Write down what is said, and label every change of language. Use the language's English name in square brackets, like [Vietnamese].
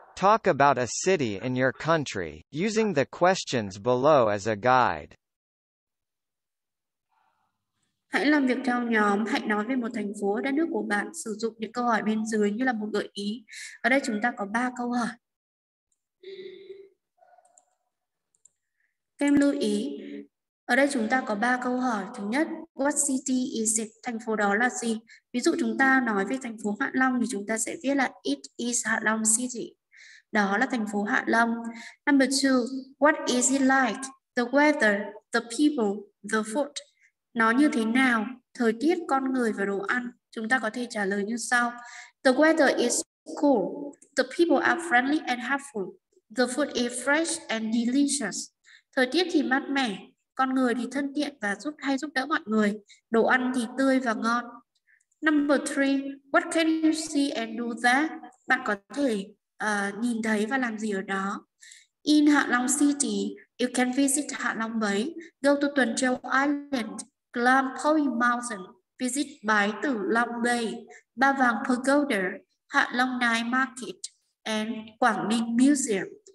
[English] Talk about a city in your country using the questions below as a guide. [Vietnamese] Hãy làm việc theo nhóm, hãy nói về một thành phố ở đất nước của bạn sử dụng những câu hỏi bên dưới như là một gợi ý. Ở đây chúng ta có 3 câu hỏi. Các em lưu ý, ở đây chúng ta có 3 câu hỏi. Thứ nhất, [English] what city is it? [Vietnamese] Thành phố đó là gì? Ví dụ chúng ta nói về thành phố Hạ Long thì chúng ta sẽ viết là [English] it is Hạ Long City. [Vietnamese] Đó là thành phố Hạ Long. [English] Number 2, what is it like? The weather, the people, the food. [Vietnamese] Nó như thế nào? Thời tiết, con người và đồ ăn. Chúng ta có thể trả lời như sau. [English] The weather is cool. The people are friendly and helpful. The food is fresh and delicious. [Vietnamese] Thời tiết thì mát mẻ, con người thì thân thiện và giúp đỡ mọi người. Đồ ăn thì tươi và ngon. [English] Number 3, what can you see and do there? [Vietnamese] Bạn có thể nhìn thấy và làm gì ở đó? [English] In Hạ Long City, you can visit Hạ Long Bay, go to Tuần Châu Island, Glam Point Mountain, visit Bái Tử Long Bay, Ba Vàng Pagoda, Hạ Long Night Market, and Quảng Ninh Museum.